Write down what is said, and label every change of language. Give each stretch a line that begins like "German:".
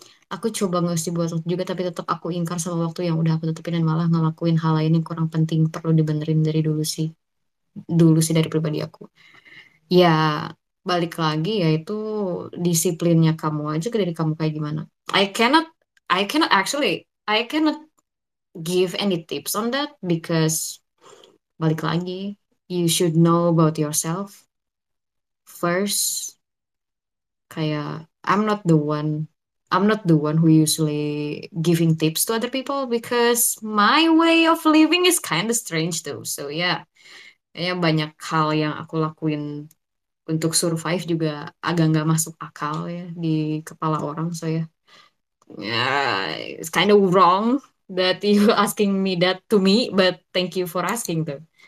Indonesian: Aku coba ngasih buat waktu juga, tapi tetap aku ingkar sama waktu yang udah aku tutupin dan malah ngelakuin hal lain yang kurang penting, perlu dibenerin dari dulu sih dari pribadi aku. Ya, balik lagi, yaitu disiplinnya kamu aja ke diri kamu kayak gimana.
English: I cannot give any tips on that because
Indonesian: balik lagi,
English: you should know about yourself first. Kayak I'm not the one who usually giving tips to other people because my way of living is kind of strange too.
Indonesian: So yeah, kayaknya banyak hal yang aku lakuin untuk survive juga agak nggak masuk akal ya di kepala orang.
English: So yeah. It's kind of wrong that you asking me that to me, but thank you for asking though.